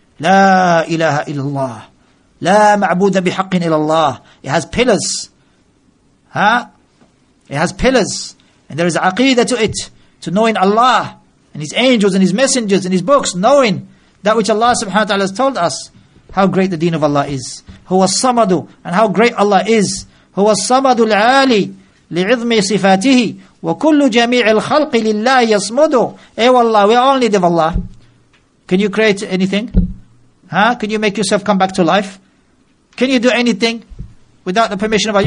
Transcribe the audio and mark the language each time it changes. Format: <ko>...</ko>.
<ar>La ilaha illallah. لا معبود بحق إلا الله.</ar> <en>It has pillars. It has pillars. And there is aqidah to it. To knowing Allah and His angels and His messengers and His books. Knowing that which Allah subhanahu wa ta'ala has told us. How great the deen of Allah is.</en> <ar>هو الصمد.</ar> <en>And how great Allah is.</en> <ar>هو الصمد العالي لعظم صفاته وكل جميع الخلق لله يصمد.</ar> <en>Ay wallah, we all need of Allah. Can you create anything? Can you make yourself come back to life? Can you do anything without the permission of Allah?</en>